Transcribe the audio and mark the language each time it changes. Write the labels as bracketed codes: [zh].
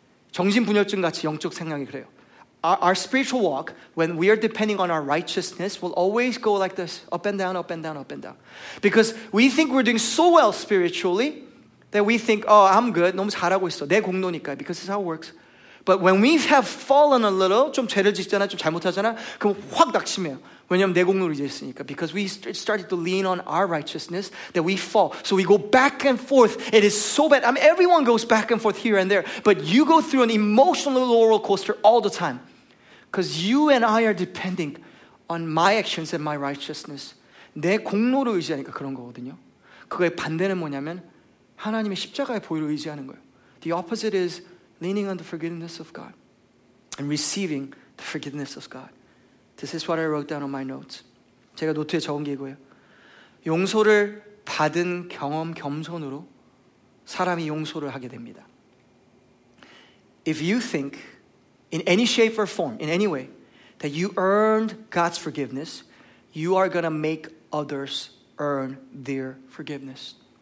[ko] 정신분열증 같이 영적 생활이 그래요. [en] Our spiritual walk, when we are depending on our righteousness, will always go like this. Up and down, up and down, up and down. Because we think we're doing so well spiritually that we think, oh, I'm good. [ko] 너무 잘하고 있어. 내 공로니까. [en] Because it's how it works. But when we have fallen a little, [ko] 좀 죄를 짓잖아, 좀 잘못하잖아, 그럼 확 낙심해요. 왜냐면 내 공로를 이제 했으니까. [en] Because we started to lean on our righteousness that we fall. So we go back and forth. It is so bad. I mean, everyone goes back and forth here and there. But you go through an emotional roller coaster all the time. Because you and I are depending on my actions and my righteousness. [ko] 내 공로를 의지하니까 그런 거거든요. 그거의 반대는 뭐냐면 하나님의 십자가의 보혈을 의지하는 거예요. [en] The opposite is leaning on the forgiveness of God and receiving the forgiveness of God. This is what I wrote down on my notes. [ko] 제가 노트에 적은 게 이거예요. 용서를 받은 경험 겸손으로 사람이 용서를 하게 됩니다. [en] If you think in any shape or form, in any way, that you earned God's forgiveness, you are going to make others earn their forgiveness.